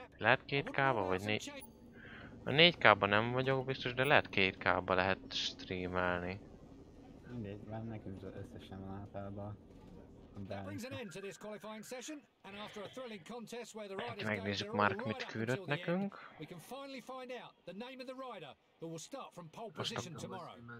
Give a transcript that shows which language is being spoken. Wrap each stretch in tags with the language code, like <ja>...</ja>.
<hu>Lehet 2K-ba vagy 4K-ba nem vagyok biztos, de lehet 2K-ba lehet streamelni. Mindegy, már nekünk az összesen van általában.</hu> <en>That brings an end to this qualifying session, and after a thrilling contest where the riders</en> <hu>megnézzük Mark mit küldött nekünk.</hu> <en>We can finally find out the name of the rider who will start from pole position tomorrow.</en>